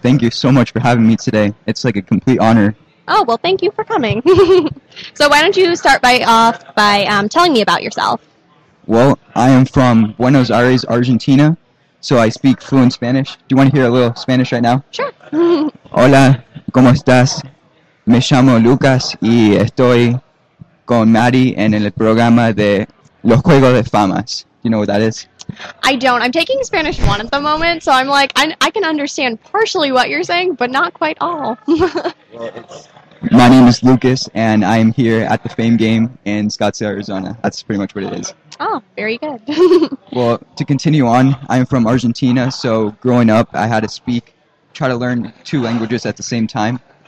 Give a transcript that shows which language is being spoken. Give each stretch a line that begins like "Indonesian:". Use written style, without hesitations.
English: Thank you so much for having me today. It's like a complete honor. Oh, well, thank you for coming. So why don't you start by telling me about yourself? Well, I am from Buenos Aires, Argentina, so I speak fluent Spanish. Do you want to hear a little Spanish right now? Sure.
Spanish: Hola, ¿cómo estás? Me llamo Lucas y estoy con Maddie en el programa de Los Juegos de Famas.
English: Do you know what that is? I don't. I'm taking Spanish 1 at the moment, so I'm like, I can understand partially what you're saying, but not quite all. My name is Lucas, and I am here at the Fame Game in Scottsdale, Arizona. That's pretty much what it is. Oh, very good. Well, to continue on, I'm from Argentina, so growing up, I had to speak, try to learn two languages at the same time.